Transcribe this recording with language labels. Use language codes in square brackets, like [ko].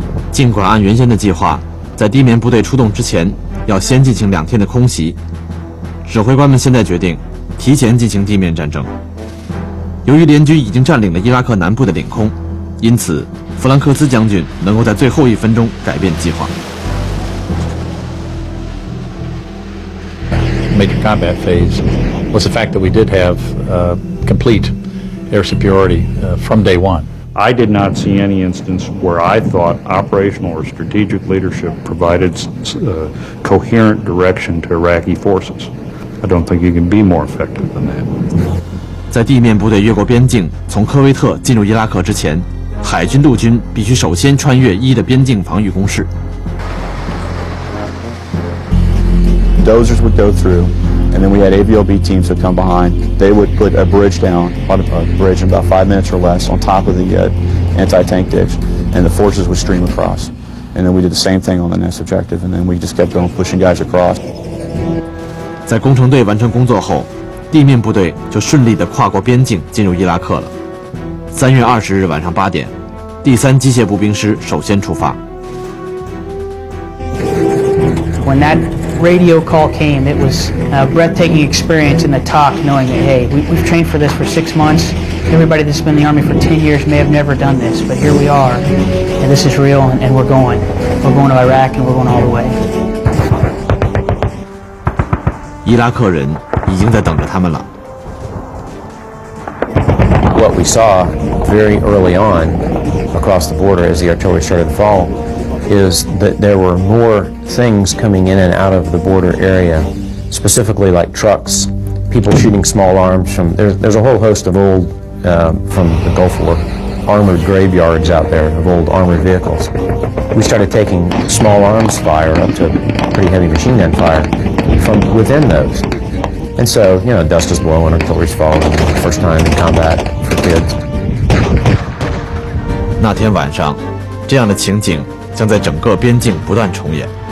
[zh] 尽管按原先的计划，在地面部队出动之前要先进行两天的空袭，指挥官们现在决定提前进行地面战争。由于联军已经占领了伊拉克南部的领空，因此弗兰克斯将军能够在最后一分钟改变计划。 [en] Major combat phase was the fact that we did have complete air superiority from day one. I did not see any instance where I thought operational or strategic leadership provided coherent direction to Iraqi forces. I don't think you can be more effective than that. [zh] 在地面部队越过边境从科威特进入伊拉克之前，海军陆军必须首先穿越伊的边境防御工事。 [en] Dozers would go through, and then we had AVOB teams would come behind. They would put a bridge down, a bridge in about 5 minutes or less, on top of the anti-tank ditch, and the forces would stream across. And then we did the same thing on the next objective, and then we just kept going pushing guys across. [zh] 在工程队完成工作后，地面部队就顺利地跨过边境进入伊拉克了。 3月20日晚上8点，第三机械步兵师首先出发。 [en] When that radio call came, it was a breathtaking experience in the talk, knowing that, hey, we've trained for this for 6 months. Everybody that's been in the Army for 10 years may have never done this, but here we are, and this is real, and we're going. We're going to Iraq, and we're going all the way. [zh] 伊拉克人已经在等着他们了。 [en] What we saw very early on across the border as the artillery started to fall is that there were more things coming in and out of the border area, specifically like trucks, people shooting small arms from, there's a whole host of old, from the Gulf War, armored graveyards out there of old armored vehicles. We started taking small arms fire up to pretty heavy machine gun fire from within those. And so, you know, dust is blowing, artillery's falling, first time in combat. [zh] 那天晚上，这样的情景将在整个边境不断重演。